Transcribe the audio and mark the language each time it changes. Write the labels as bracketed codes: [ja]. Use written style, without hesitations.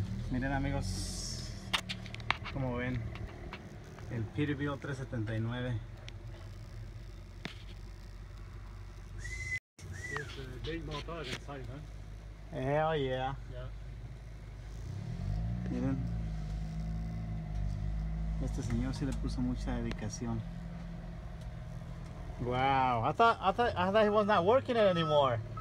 [es] Miren, amigos, como ven, el Peterbilt 379. [en] It's a big motor inside, huh? Hell yeah. Yeah. [es] Miren, este señor sí le puso mucha dedicación. [en] Wow, I thought he was not working it anymore.